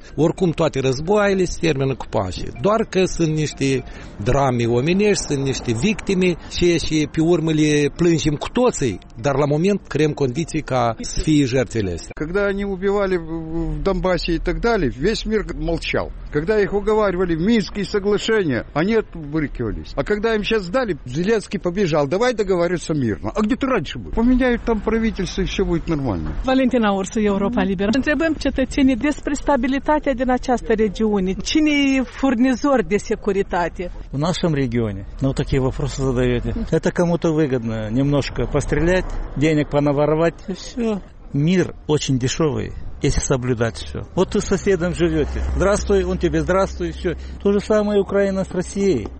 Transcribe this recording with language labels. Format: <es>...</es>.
<ro>Oricum, toate războaiele se termină cu pașii. Doar că sunt niște drame omenești, sunt niște victime și pe urmă le plângem cu toții, dar la moment creăm condiții ca să fie jertfele astea.</ro> <ru>Când ne ubivale în Donbasie și tak dali, весь мир молчал. Когда их уговаривали Минские соглашения, они отбрыкивались. А когда им сейчас дали, Зеленский побежал. Давай договоримся мирно. А где ты раньше был? Поменяют там правительство и все будет нормально. Валентина Урсу, Европа Либер.</ru> <ro>Întrebăm cetățenii despre stabilitatea din această regiune. Cine e furnizor de securitate?</ro> <ru>В нашем регионе. Ну такие вопросы задаете. Это кому-то выгодно немножко пострелять, денег понаворовать и все. Мир очень дешевый. Если соблюдать все. Вот ты с соседом живете. Здравствуй, он тебе здравствуй, все. То же самое Украина с Россией.</ru>